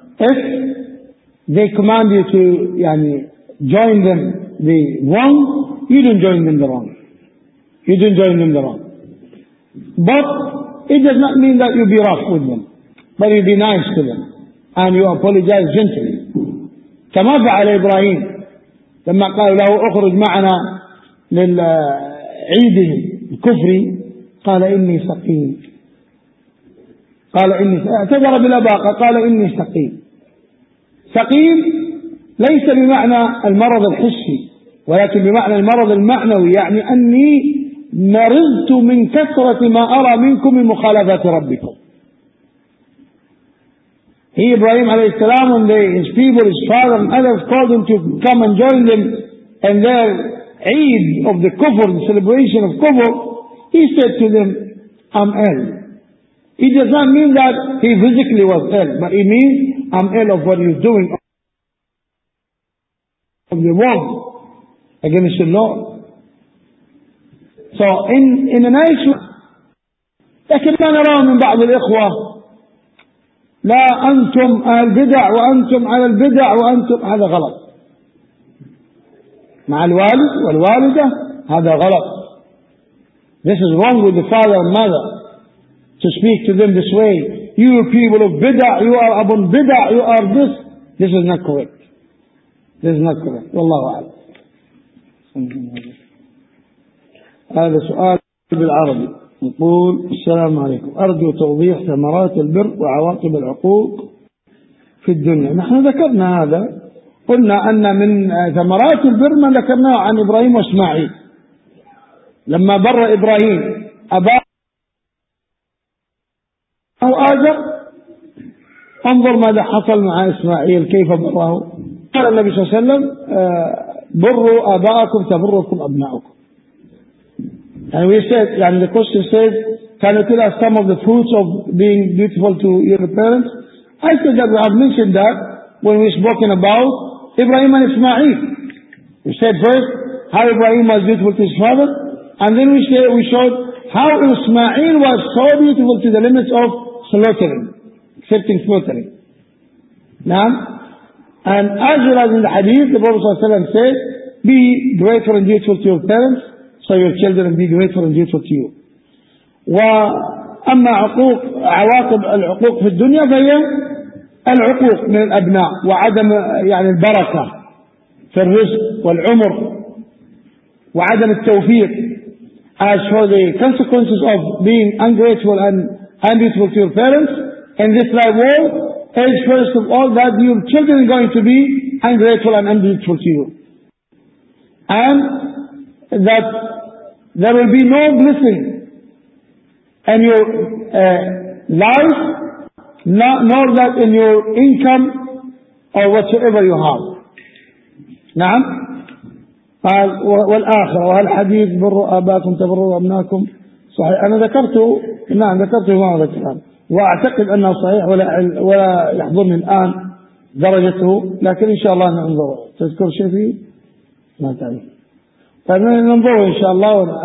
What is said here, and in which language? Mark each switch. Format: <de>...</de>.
<en>If they command you to يعني join them the wrong, you don't join them the wrong, you don't join them the wrong. But it does not mean that you be rough with them, but you be nice to them and you apologize gently.</en> <ar>كما فعل إبراهيم لما قال له أخرج معنا للعيد الكفري قال إني سقيم, قال إني اعتذر بلا باقة, قال إني سقيم. سقيم ليس بمعنى المرض الحسي ولكن بمعنى المرض المعنوي, يعني أني مرضت من كثرة ما أرى منكم من مخالفات ربكم.</ar> <en>He, Ibrahim عليه السلام, and his people, his father and others called him to come and join them in their Eid of the Kufr, the celebration of Kufr. He said to them, I'm ill. It does not mean that he physically was ill, but it means I'm ill of what you're doing of the world against the Lord. So in a nice way.</en> <ar>لكن أنا أرى من بعض الإخوة, لا أنتم على البدع وأنتم على البدع وأنتم, هذا غلط. مع الوالد والوالدة هذا غلط.</ar> <en>This is wrong with the father and mother to speak to them this way. You people of bid'a, you are abun bid'a, you are this. This is not correct. This is not correct.</en> <ar>والله أعلم. هذا سؤال بالعربي يقول السلام عليكم, أرجو توضيح ثمرات البر وعواقب العقوق في الدنيا. نحن ذكرنا هذا, قلنا أن من ثمرات البر ما ذكرناه عن إبراهيم وإسماعيل لما بر إبراهيم أباه آزر, انظر ماذا حصل مع إسماعيل كيف بره. قال النبي صلى الله عليه وسلم بروا آباءكم تبركم أبناؤكم.</ar> <en>And we said, and the question said, can you tell us some of the fruits of being dutiful to your parents? I said that we have mentioned that when we've spoken about Ibrahim and Ismail. We said first how Ibrahim was dutiful to his father, and then we showed how Ismail was so dutiful to the limits of slaughtering, accepting slaughtering. Now, and as well as in the hadith, the Prophet ﷺ said, be grateful and dutiful to your parents, so your children be grateful and dutiful to you.</en> <ar>وأما عقوق عواقب العقوق في الدنيا فهي العقوق من الأبناء وعدم يعني البركة في الرزق والعمر وعدم التوفيق.</ar> <en>As for the consequences of being ungrateful and undutiful to your parents in this life world, is first of all that your children are going to be ungrateful and undutiful to you, and that there will be no blessing in your life, nor that in your income or whatsoever you have. Now,</en> <ar>قال والآخر والحديث بروا أباكم تبروا أبناكم صحيح. أنا ذكرته نعم ذكرته في معرض الكلام وأعتقد أنه صحيح ولا يحضرني الآن درجته لكن إن شاء الله ننظر. تذكر شيء فيه؟ ما تعلم. فننظر إن شاء الله.</ar>